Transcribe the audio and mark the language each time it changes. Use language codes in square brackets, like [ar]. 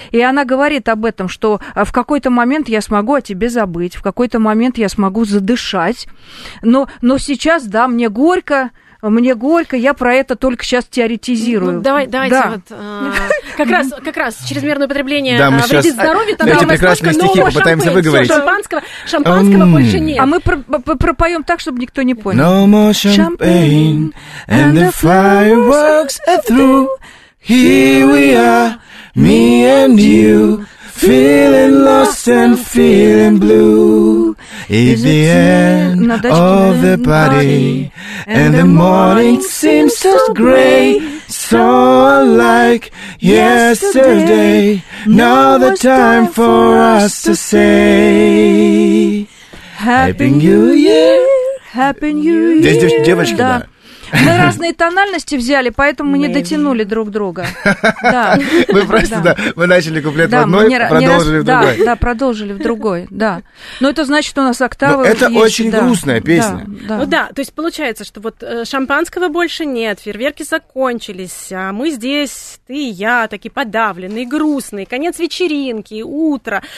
[ru] И она говорит об этом, что в какой-то момент я смогу о тебе забыть, в какой-то момент я смогу задышать, но сейчас, да, мне горько, мне горько, я про это только сейчас теоретизирую. Ну, давай, давайте да. Вот как раз чрезмерное употребление вредит сейчас... здоровью, тогда эти прекрасные стихи попытаемся выговорить. Шампанского больше нет. А мы пропоем так, чтобы никто не понял. [en] Champagne and the fireworks are through. Here we are, me and you, feeling lost and feeling blue. It's the end of the party, and the morning seems so gray. So unlike yesterday, now the time for us to say Happy New Year, Happy New Year. [ru] Здесь девочки, да. Мы разные тональности взяли, поэтому мы не дотянули друг друга. Мы просто, да, мы начали куплет в одной, продолжили в другой. Да, продолжили в другой, да. Но это значит, у нас октавы... Это очень грустная песня. Ну да, то есть получается, что вот шампанского больше нет, фейерверки закончились, а мы здесь, ты и я, такие подавленные, грустные, конец вечеринки, утро.